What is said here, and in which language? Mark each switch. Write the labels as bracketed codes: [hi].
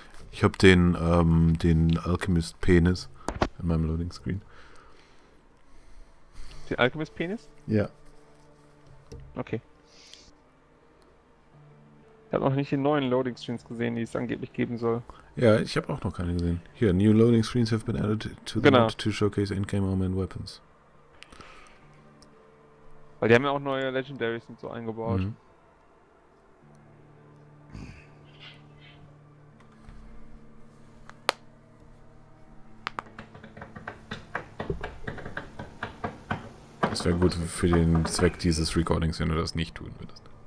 [de] Ich habe den den Alchemist Penis in meinem Loading Screen. Den Alchemist Penis? Ja. Okay. Ich habe noch nicht die neuen Loading Screens gesehen, die es angeblich geben soll. Ja, ich habe auch noch keine gesehen. [en] Hier, new loading screens have been added to the mod to showcase in-game armor and weapons. [de] Weil die haben ja auch neue Legendaries und so eingebaut. Mhm. Das wäre gut für den Zweck dieses Recordings, wenn du das nicht tun würdest.